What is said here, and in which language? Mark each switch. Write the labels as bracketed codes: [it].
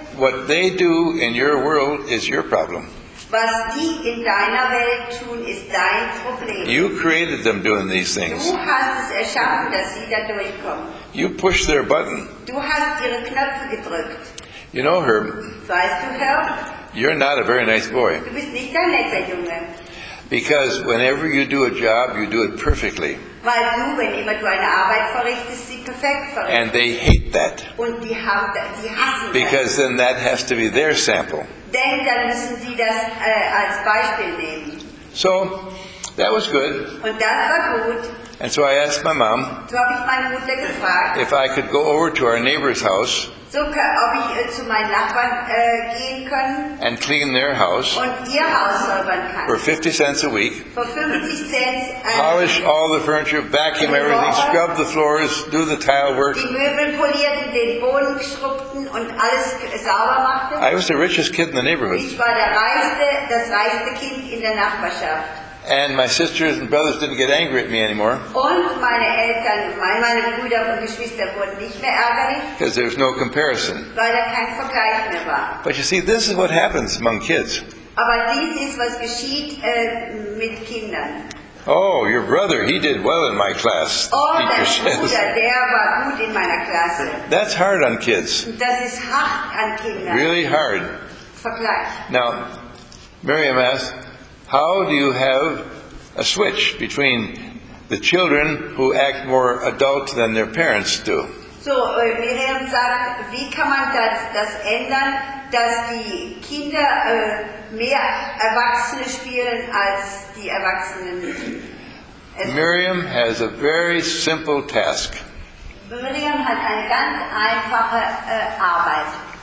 [en] What they do in your world is your problem. [de] Was die in deiner Welt tun, ist dein Problem. [en] You created them doing these things. [de] Du hast es erschaffen, dass sie da durchkommen. [en] You pushed their button. [de] Du hast ihre Knöpfe gedrückt. [en] You know her. [de] Weißt du, Herr? [en] You're not a very nice boy. [de] Du bist nicht ein netter Junge. [en] Because whenever you do a job, you do it perfectly. [de] Weil du, wenn immer du eine Arbeit verrichtest, sie perfekt verrichtest. [en] And they hate that. [de] Und die hassen [en] Because Then that has to be their sample. [de] Denn dann müssen sie das als Beispiel nehmen. [en] So, that was good. [de] Und das war gut. [en] And so I asked my mom [de] so hab ich meine Mutter gefragt, [en] if I could go over to our neighbor's house [de] so, ob ich, zu meinen Nachbarn, gehen können, [en] and clean their house [de] und ihr Haus säubern kann. [en] For 50 cents a week, [de] for 50 cents, [en] polish all the furniture, vacuum everything, Woche, scrub the floors, do the tile work. [de] Die Möbel polierten, den Boden schrubbten und alles sauber machten. [en] I was the richest kid in the neighborhood. [de] Ich war der reichste, das reichste Kind in der Nachbarschaft. [en] And my sisters and brothers didn't get angry at me anymore. [de] Und meine Eltern, meine Brüder und Geschwister wurden nicht mehr ärgerlich. [en] Because there was no comparison. [de] Weil da kein Vergleich mehr war. [en] But you see, this is what happens among kids. [de] Aber dies ist, was geschieht mit Kindern. [en] Oh, your brother, he did well in my class. [de] Oh, dein Bruder, der war gut in meiner Klasse. [en] That's hard on kids. [de] Das ist hart an Kindern. [en] Really hard. [de] Vergleich. [en] Now, Miriam asked, How do you have a switch between the children who act more adult than their parents do? [de] So, Miriam sagt, wie kann man das ändern, dass die Kinder mehr Erwachsene spielen als die Erwachsenen? [en] Miriam has a very simple task. [de] Miriam hat eine ganz einfache Arbeit.